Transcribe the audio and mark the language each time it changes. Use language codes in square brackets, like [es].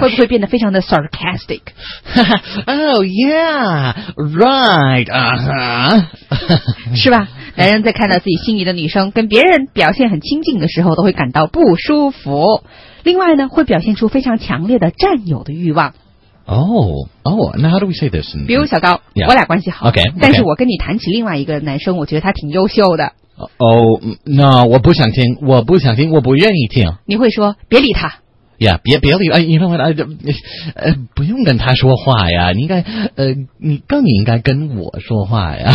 [zh] 会不会变得非常的 sarcastic [en] Oh yeah Right、 [zh] 是吧男人在看到自己心仪的女生跟别人表现很亲近的时候都会感到不舒服另外呢会表现出非常强烈的占有的欲望 [en] Oh, oh, now how do we say this? [zh] 比如小高、 [en] yeah. [zh] 我俩关系好 [en] okay, okay. [zh] 但是我跟你谈起另外一个男生我觉得他挺优秀的 [en] Oh, no, [zh] 我不想听我不愿意听你会说别理他 [en] Yeah, [zh] 别理、 [en] You know what, [zh] 不用跟他说话呀你应该你更应该跟我说话呀